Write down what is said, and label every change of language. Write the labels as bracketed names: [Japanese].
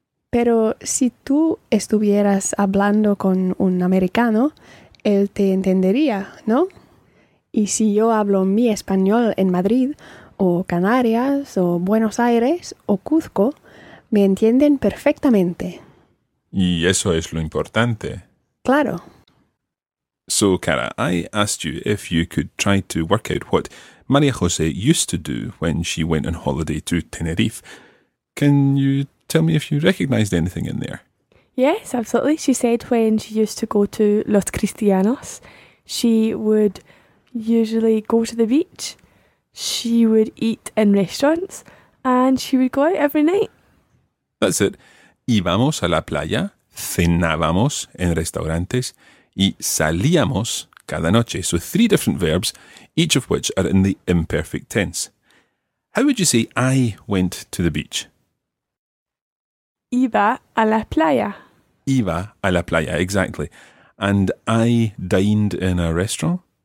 [Spanish] Pero si tú estuvieras hablando con un americano, él te entendería, ¿no? Y si yo hablo mi español en Madrid, o Canarias, o Buenos Aires, o Cuzco, me entienden perfectamente. Y eso es lo importante. Claro. [English] So, Cara, I asked you if you could try to work out what María José used to do when she went on holiday to Tenerife. Can you tell me if you recognized anything in there? Yes, absolutely. She said when she used to go to Los Cristianos, she would usually go to the beach, she would eat in restaurants, and she would go out every night. That's it. [Spanish] Íbamos a la playa. Cenábamos en restaurantes y salíamos cada noche. [English] So three different verbs, each of which are in the imperfect tense. How would you say I went to the beach? [Spanish] Iba a la playa. Iba a la playa, exactly. [English] And I dined in a restaurant?